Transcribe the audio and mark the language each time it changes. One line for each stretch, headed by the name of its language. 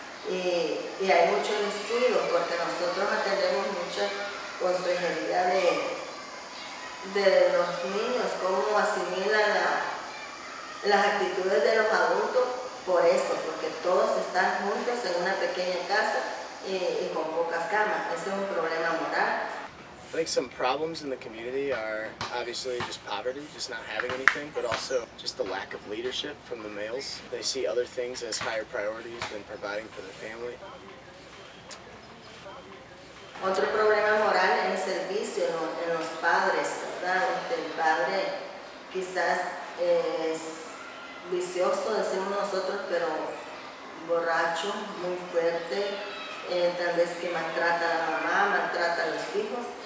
Spanish: Y hay mucho descuido porque nosotros atendemos mucha consejería de los niños, cómo asimilan las actitudes de los adultos por eso, porque todos están juntos en una pequeña casa y con pocas camas. Ese es un problema moral.
English: I think some problems in the community are obviously just poverty, just not having anything, but also just the lack of leadership from the males. They see other things as higher priorities than providing for the family.
Spanish: Otro problema moral es el vicio en los padres, ¿verdad? El padre quizás es vicioso, decimos nosotros, pero borracho, muy fuerte, tal vez que maltrata a la mamá, maltrata a los hijos.